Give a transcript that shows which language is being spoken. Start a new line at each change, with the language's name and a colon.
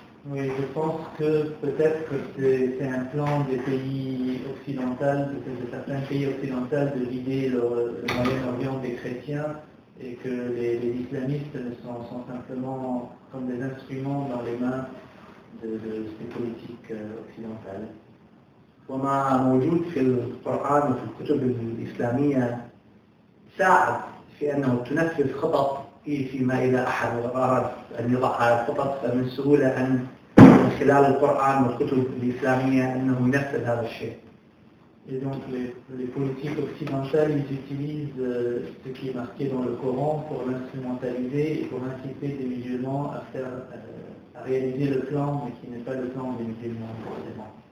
French: Oui, je pense que peut-être que c'est un plan des pays occidentaux, de certains pays occidentaux, de vider le Moyen-Orient des chrétiens et que les islamistes sont simplement comme des instruments dans les mains de ces politiques occidentales.
Arabic: وما موجود في القرآن وفي الكتب الإسلامية ساعد كأنه تنفذ خطط فيما إذا أحد أراد أن يضع هذه الخطط فمن سهولة أن من خلال القرآن والكتب الإسلامية أنه ينفذ هذا الشيء.
French: Et donc les politiques occidentales, ils utilisent ce qui est marqué dans le Coran pour l'instrumentaliser et pour inciter des musulmans à faire à réaliser le plan, mais qui n'est pas le plan des musulmans, forcément.